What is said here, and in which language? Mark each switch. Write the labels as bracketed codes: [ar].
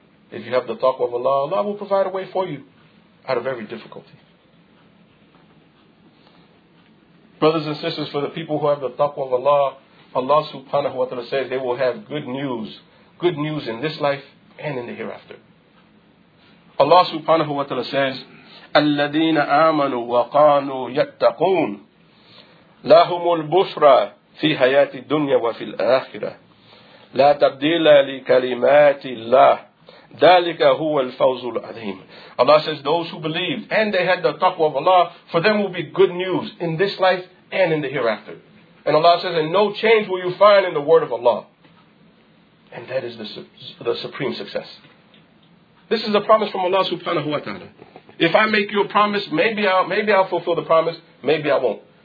[en] If you have the taqwa of Allah, Allah will provide a way for you out of every difficulty. Brothers and sisters, for the people who have the taqwa of Allah, Allah subhanahu wa ta'ala says they will have good news. Good news in this life and in the hereafter. Allah subhanahu wa ta'ala says, [ar] الَّذِينَ آمَنُوا وَقَانُوا يَتَّقُونَ لَهُمُ الْبُشْرَى فِي حَيَاتِ الدُّنْيَا وَفِي الْآخِرَةِ لَا تَبْدِيلَ لِكَلِمَاتِ اللَّهِ ذَلِكَ هُوَ الْفَوْزُ الْعَظِيمُ. [en] Allah says, those who believed and they had the taqwa of Allah, for them will be good news in this life and in the hereafter. And Allah says, and no change will you find in the word of Allah. And that is the supreme success. This is a promise from Allah subhanahu wa ta'ala. If I make you a promise, maybe I'll fulfill the promise, maybe I won't.